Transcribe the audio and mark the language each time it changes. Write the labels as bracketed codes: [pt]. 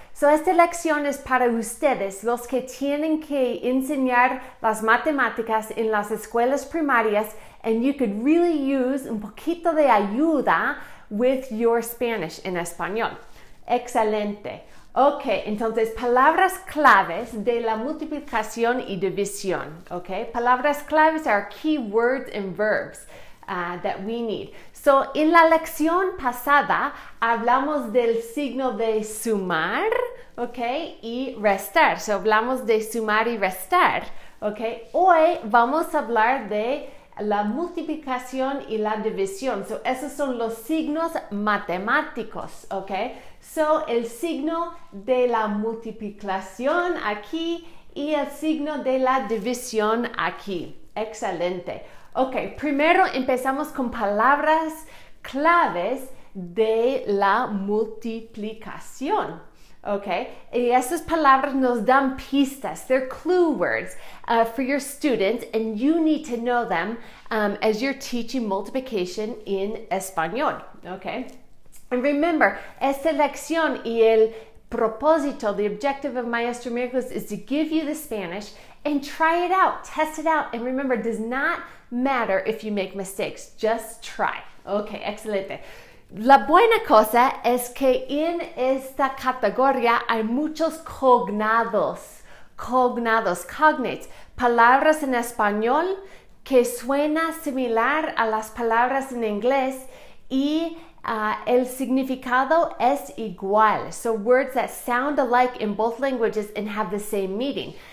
[es] So esta lección es para ustedes, los que tienen que enseñar las matemáticas en las escuelas primarias, [en] and you could really use [es] un poquito de ayuda [en] with your Spanish [es] en español. Excelente. Ok, entonces palabras claves de la multiplicación y división. [en] Ok, palabras claves are key words and verbs that we need. [es] So, en la lección pasada hablamos del signo de sumar, ¿ok? Y restar. So, hablamos de sumar y restar, ¿ok? Hoy vamos a hablar de la multiplicación y la división. So, esos son los signos matemáticos, ¿ok? So, el signo de la multiplicación aquí y el signo de la división aquí. Excelente. Ok, primero empezamos con palabras claves de la multiplicación, ok? Y esas palabras nos dan pistas, [en] they're clue words for your students, and you need to know them as you're teaching multiplication in español, ok? And remember, [es] esta lección y el propósito, [en] the objective of Maestro Miércoles is to give you the Spanish and try it out, test it out, and remember, does not matter if you make mistakes, just try. Ok, excelente. [es] La buena cosa es que en esta categoría hay muchos cognates, palabras en español que suena similar a las palabras en inglés y el significado es igual. [en] So words that sound alike in both languages and have the same meaning.